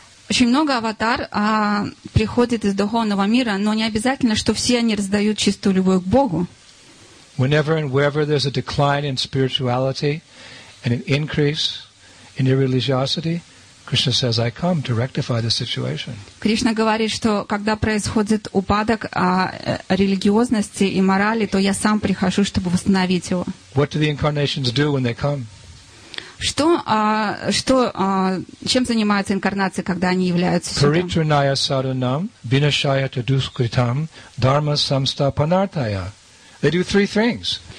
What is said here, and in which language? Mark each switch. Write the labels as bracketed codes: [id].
[ru] Очень много аватар приходит из духовного мира, но не обязательно, что все они раздают чистую любовь к Богу. [en] Whenever and wherever there's a decline in spirituality and an increase in irreligiosity, Krishna says, "I come to rectify the situation." [ru] Кришна говорит, что когда происходит упадок религиозности и морали, то я сам прихожу, чтобы восстановить его. [en] What do the incarnations do when they come? [ru] Чем занимаются инкарнации, когда они являются? [sa] Паритранаya sadunam, vinashaya taduskritam, dharma samstapanartaya. [en] They do three things.